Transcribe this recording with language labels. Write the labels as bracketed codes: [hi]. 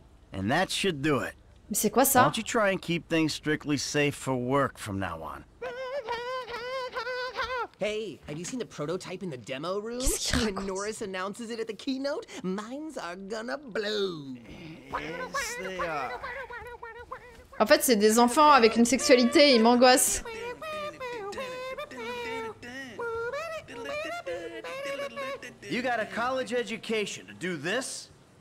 [en] And that should do it. [fr] Mais c'est quoi ça? [en] Why don't you try and keep things strictly safe for work from now on? Hey, have you seen the prototype in the demo room? [fr] Qu'est-ce qu'il raconte? [en] When Norris announces it at the keynote, minds are gonna blow. Yes, they are. [fr] En fait, c'est des enfants avec une sexualité, ils m'angoissent. [en] You got a college education to do this?